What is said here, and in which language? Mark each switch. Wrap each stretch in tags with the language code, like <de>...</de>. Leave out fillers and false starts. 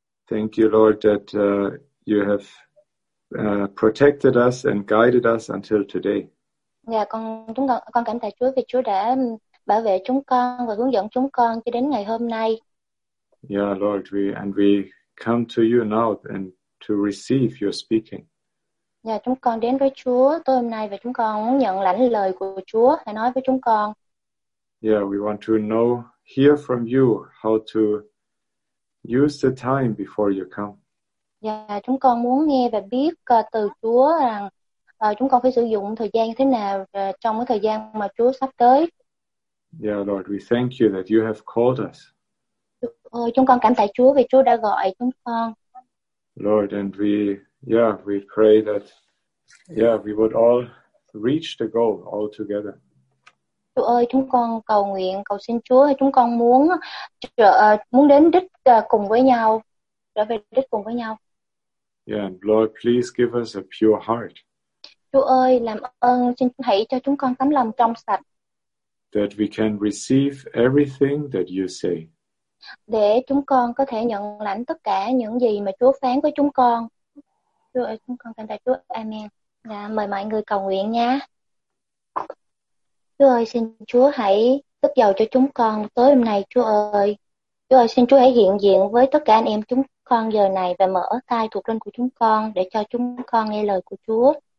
<en>Thank you, Lord, that you have protected us and guided us until today.</en> <vi>Yeah, con cảm tạ Chúa vì Chúa đã bảo vệ chúng con và hướng dẫn chúng con cho đến ngày hôm nay.</vi> <en>Yeah, Lord, we come to you now and to receive your speaking.</en> <vi>Yeah, chúng con đến với Chúa tối hôm nay và chúng con muốn nhận lãnh lời của Chúa hãy nói với chúng con.</vi> <en>Yeah, we want to know, hear from you how to use the time before you come.</en> <vi>Yeah, chúng con muốn nghe và biết từ Chúa rằng chúng con phải sử dụng thời gian như thế nào trong cái thời gian mà Chúa sắp tới.</vi> <en>Yeah, Lord, we thank you that you have called us.</en> <vi>Chúng con cảm tạ Chúa vì Chúa đã gọi chúng con.</vi> <en>Lord, and we pray that we would all reach the goal all together.</en> <vi>Chúa ơi, chúng con cầu nguyện, cầu xin Chúa, chúng con muốn muốn đến đích cùng với nhau, trở về đích cùng với nhau.</vi> <en>Yeah, and Lord, please give us a pure heart.</en> <vi>Chúa ơi, làm ơn, xin hãy cho chúng con tấm lòng trong sạch.</vi> <en>That we can receive everything that you say.</en> <vi>Để chúng con có thể nhận lãnh tất cả những gì mà Chúa phán với chúng con. Chúa ơi, chúng con cảm tạ Chúa. Amen. Dạ, mời mọi người cầu nguyện nha. Chúa ơi, xin Chúa hãy tức dầu cho chúng con tối hôm nay, Chúa ơi. Chúa ơi, xin Chúa hãy hiện diện với tất cả anh em chúng con giờ này và mở tai thuộc linh của chúng con để cho chúng con nghe lời của Chúa.</vi>